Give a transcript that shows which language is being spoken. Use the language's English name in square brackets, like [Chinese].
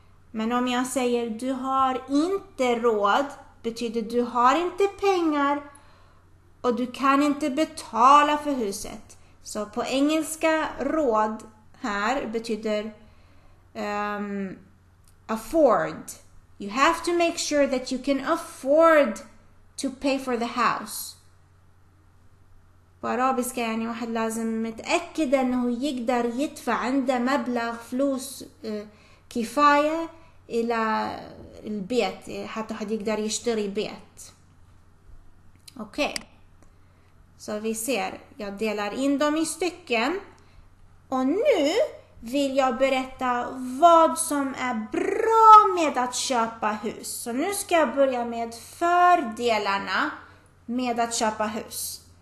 [Swedish] Men om jag säger du har inte råd, betyder du har inte pengar och du kan inte betala för huset. Så på engelska råd här betyder afford. [English] You have to make sure that you can afford to pay for the house. [Swedish] På arabiska är ni [Arabic] واحد لازم متأكد انه يقدر يدفع عنده مبلغ فلوس كفاية إلى البيت حتى حد يقدر يشتري بيت. [Swedish] Okej. Så vi ser, jag delar in dem i stycken. Och nu vill jag berätta vad som är bra med att köpa hus. Så nu ska jag börja med fördelarna med att köpa hus.